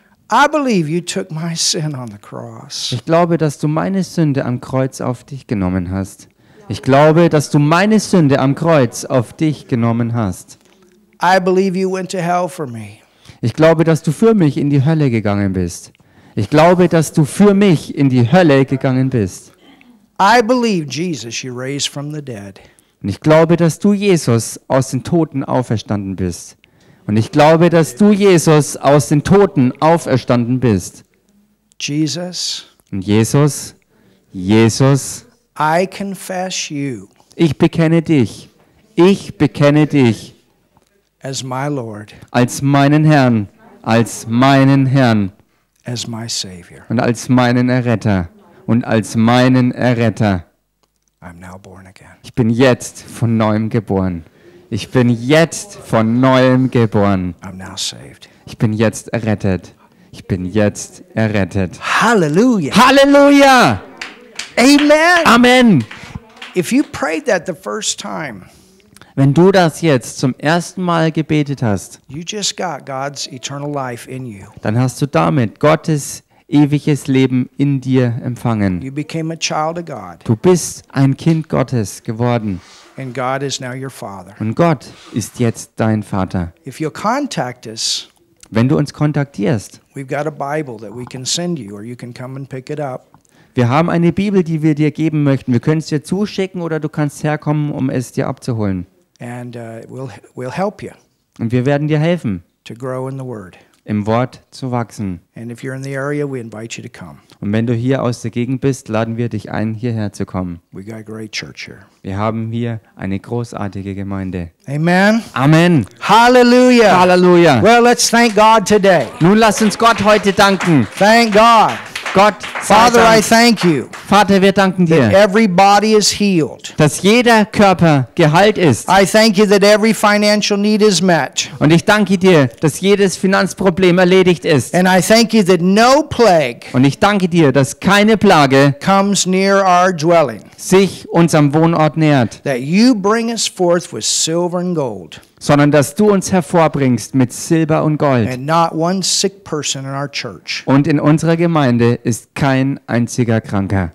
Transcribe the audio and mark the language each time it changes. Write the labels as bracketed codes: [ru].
[en] I believe you took my sin on the cross. [de] Ich glaube, dass du meine Sünde am Kreuz auf dich genommen hast. Ich glaube, dass du meine Sünde am Kreuz auf dich genommen hast. [en] I believe you went to hell for me. [de] Ich glaube, dass du für mich in die Hölle gegangen bist. Ich glaube, dass du für mich in die Hölle gegangen bist. [en] I believe Jesus you raised from the dead. [de] Und ich glaube, dass du Jesus aus den Toten auferstanden bist. Und ich glaube, dass du Jesus aus den Toten auferstanden bist. [en] Jesus. [de] Und Jesus. Jesus. [en] I confess you. [de] Ich bekenne dich. Ich bekenne dich. [en] As my Lord. [de] Als meinen Herrn. Als meinen Herrn. [en] As my Savior. [de] Und als meinen Erretter. Und als meinen Erretter. [en] I'm now born again. [de] Ich bin jetzt von neuem geboren. Ich bin jetzt von neuem geboren. [en] I'm now saved. [de] Ich bin jetzt errettet. Ich bin jetzt errettet. Halleluja. Halleluja. Amen. Amen. [en] If you prayed that the first time, [de] wenn du das jetzt zum ersten Mal gebetet hast, [en] you just got God's eternal life in you. [de] Dann hast du damit Gottes ewiges Leben in dir empfangen. [en] You became a child of God. [de] Du bist ein Kind Gottes geworden. [en] And God is now your father. [de] Und Gott ist jetzt dein Vater. [en] If you contact us, [de] wenn du uns kontaktierst, [en] we've got a Bible that we can send you, or you can come and pick it up. [de] Wir haben eine Bibel, die wir dir geben möchten. Wir können es dir zuschicken oder du kannst herkommen, um es dir abzuholen. [en] And we'll help you. [de] Und wir werden dir helfen, [en] to grow in the Word. [de] Im Wort zu wachsen. [en] And if you're in the area, we invite you to come. [de] Und wenn du hier aus der Gegend bist, laden wir dich ein, hierher zu kommen. [en] We got a great church here. [de] Wir haben hier eine großartige Gemeinde. Amen. Amen. Halleluja. Halleluja. [en] Well, let's thank God today. [de] Nun lass uns Gott heute danken. [en] Thank God. [de] Gott, [en] Father, I thank you. [de] Vater, wir danken dir. [en] That every body is healed. [de] Dass jeder Körper geheilt ist. [en] I thank you that every financial need is met. [de] Und ich danke dir, dass jedes Finanzproblem erledigt ist. [en] And I thank you that no plague. [de] Und ich danke dir, dass keine Plage [en] comes near our dwelling. [de] Sich unserem Wohnort nähert. [en] That you bring us forth with silver and gold. [de] Sondern dass du uns hervorbringst mit Silber und Gold. [en] And not one sick person in our church. [de] Und in unserer Gemeinde ist kein einziger Kranker.